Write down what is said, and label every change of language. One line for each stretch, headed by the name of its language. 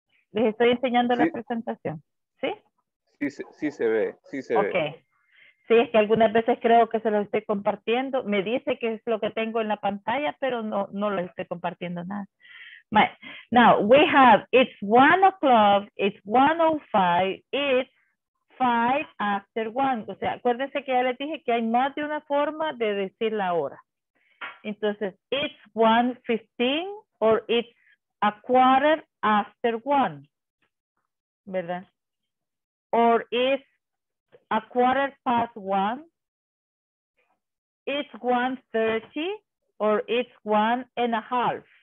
Spanish: Les estoy enseñando, sí, la presentación, ¿sí? Sí, sí se ve, sí se ve. Ok. Sí, es que algunas veces creo que se los estoy compartiendo. Me dice que es lo que tengo en la pantalla, pero no lo estoy compartiendo nada.
English: Now, we have, it's 1 o'clock, it's 1:05, it's 5 after 1.
Spanish: O sea, acuérdense que ya les dije que hay más de una forma de decir la hora. Entonces,
English: it's 1:15 or it's 1:15,
Spanish: ¿verdad?
English: Or it's 1:15, it's 1:30 or it's 1:30.